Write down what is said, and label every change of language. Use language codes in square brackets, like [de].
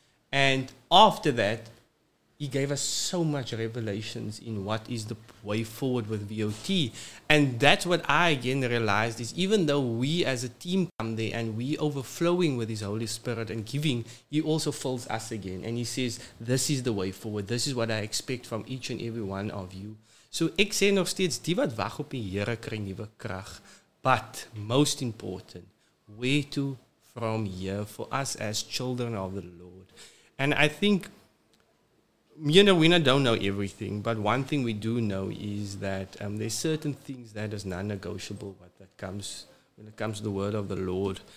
[en] And after that, he gave us so much revelations in what is the way forward with VOT. And that's what I again realized is even though we as a team come there and we overflowing with his Holy Spirit and giving, he also fills us again. And he says, this is the way forward. This is what I expect from each and every one of you. [af] So ek sê nog steeds, die wat wag op die Here kry nuwe krag. [en] But most important, where to from here for us as children of the Lord. And I think, you know, we don't know everything, but one thing we do know is that there's certain things that is non-negotiable when it comes to the word of the Lord.